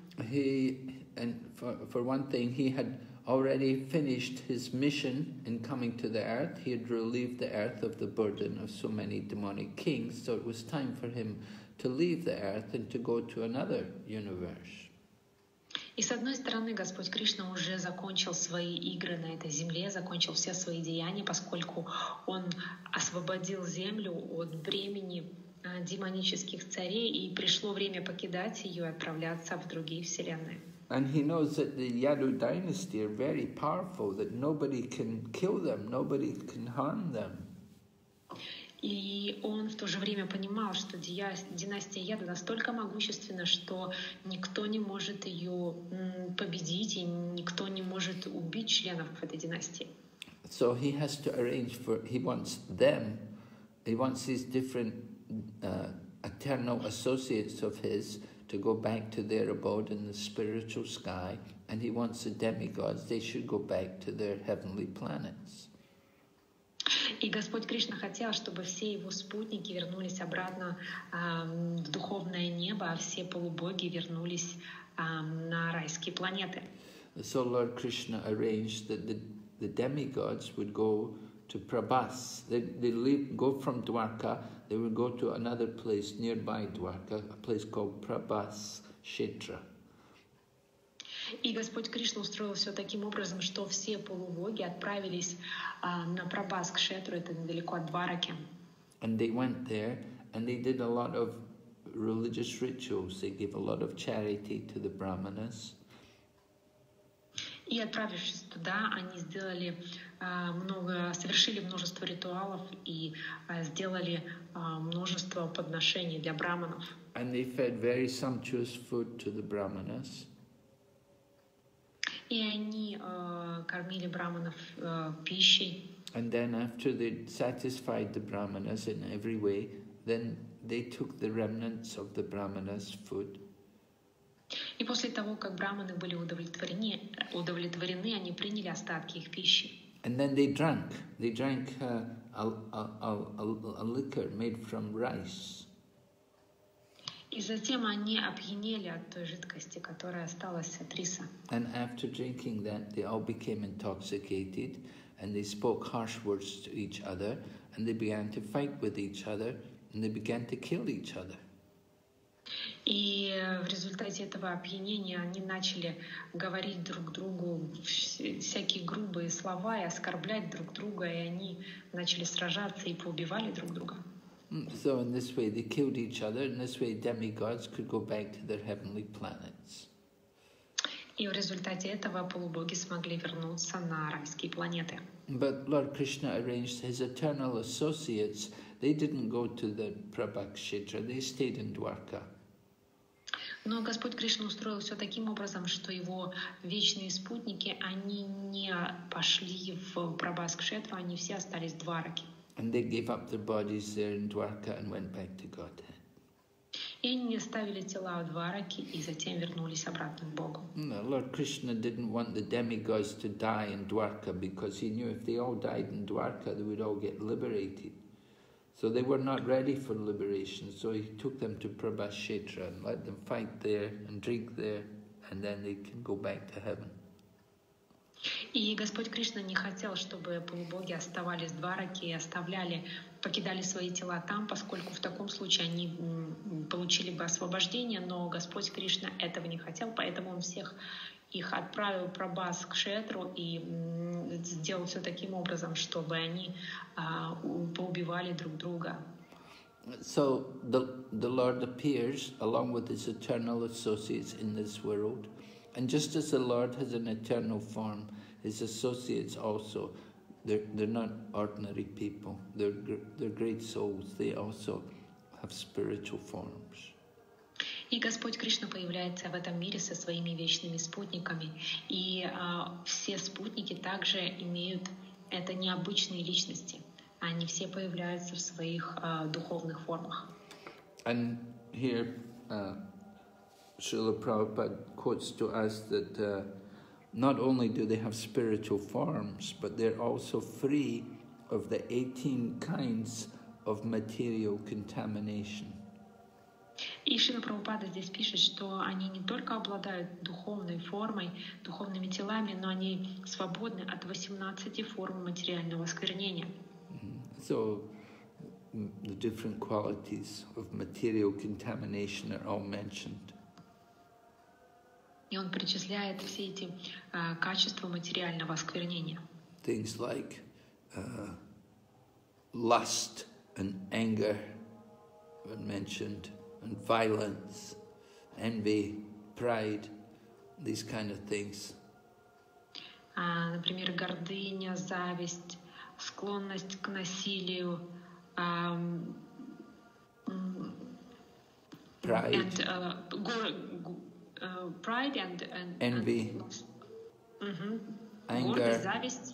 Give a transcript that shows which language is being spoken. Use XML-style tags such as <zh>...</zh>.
<en>He, and for one thing, he had already finished his mission in coming to the earth. He had relieved the earth of the burden of so many demonic kings, so it was time for him to leave the earth and to go to another universe.</en> <ru>И с одной стороны, Господь Кришна уже закончил свои игры на этой земле, закончил все свои деяния, поскольку Он освободил землю от бремени демонических царей, и пришло время покидать ее и отправляться в другие вселенные.</ru> <en>And he knows that the Yadu dynasty are very powerful, that nobody can kill them, nobody can harm them.</en> <ru>И он в то же время понимал, что династия Яду настолько могущественна, что никто не может ее победить, и никто не может убить членов этой династии.</ru> <en>So he has to arrange for, he wants them, he wants these different eternal associates of his to go back to their abode in the spiritual sky, and he wants the demigods, they should go back to their heavenly planets.</en> <ru>И Господь Кришна хотел, чтобы все его спутники вернулись обратно в духовное небо, а все полубоги вернулись на райские планеты.</ru> <en>So Lord Krishna arranged that the demigods would go to Prabhas. They leave, go from Dwarka, they would go to another place nearby Dwarka, a place called Prabhas Kshetra.</en> <ru>И Господь Кришна устроил все таким образом, что все полубоги отправились на Прабас к Шетру, это недалеко от Двараки.</ru> <en>And they went there, and they did a lot of religious rituals. They gave a lot of charity to the brahmanas.</en> <ru>И отправившись туда, они сделали совершили множество ритуалов и сделали множество подношений для брахманов.</ru> <en>And they fed very sumptuous food to the brahmanas.</en> <ru>И они кормили брахманов пищей.</ru> <en>And then after they satisfied the brahmanas in every way, then they took the remnants of the brahmanas' food.</en> <ru>И после того, как брахманы были удовлетворены, они приняли остатки их пищи.</ru> <en>And then they drank. They drank a liquor made from rice.</en> <ru>И затем они опьянели от той жидкости, которая осталась от риса.</ru> <en>And after drinking that, they all became intoxicated, and they spoke harsh words to each other, and they began to fight with each other, and they began to kill each other.</en> <ru>И в результате этого опьянения они начали говорить друг другу всякие грубые слова и оскорблять друг друга, и они начали сражаться и поубивали друг друга.</ru> <en>So in this way they killed each other, in this way demigods could go back to their heavenly planets.</en> <ru>И в результате этого полубоги смогли вернуться на райские планеты.</ru> <en>But Lord Krishna arranged his eternal associates, they didn't go to the Prabhakshetra, they stayed in Dwarka.</en> <ru>Но Господь Кришна устроил все таким образом, что его вечные спутники, они не пошли в Прабхакшетру, они все остались в Двараке.</ru> <en>And they gave up their bodies there in Dwarka and went back to Godhead.</en> <ru>И они оставили тела в Двараке и затем вернулись обратно к Богу.</ru> <en>No, Lord Krishna didn't want the demigods to die in Dwarka because he knew if they all died in Dwarka, they would all get liberated. So they were not ready for liberation. So he took them to Prabhakshetra and let them fight there and drink there, and then they can go back to heaven.</en> <ru>И Господь Кришна не хотел, чтобы полубоги оставались в Двараке и оставляли, покидали свои тела там, поскольку в таком случае они получили бы освобождение, но Господь Кришна этого не хотел, поэтому Он всех их отправил Прабас к Шетру и сделал все таким образом, чтобы они поубивали друг друга.</ru> <en>So the Lord appears along with his eternal associates in this world, and just as the Lord has an eternal form, his associates also, they're not ordinary people, they're great souls, they also have spiritual forms.</en> <ru>И Господь Кришна появляется в этом мире со своими вечными спутниками, и все спутники также имеют это необычные личности, они все появляются в своих духовных формах.</ru> <en>And here Srila Prabhupada quotes to us that not only do they have spiritual forms, but they're also free of the 18 kinds of material contamination.</en> <ru>И Шрила Прабхупада здесь пишет, что они не только обладают духовной формой, духовными телами, но они свободны от 18 форм материального осквернения.</ru> <en>So the different qualities of material contamination are all mentioned.</en> <ru>И он причисляет все эти качества материального осквернения.</ru> <en>Things like lust and anger were mentioned, and violence, envy, pride, these kind of things.</en> <ru>Например, гордыня, зависть, склонность к насилию,</ru> <en>envy, anger,</en>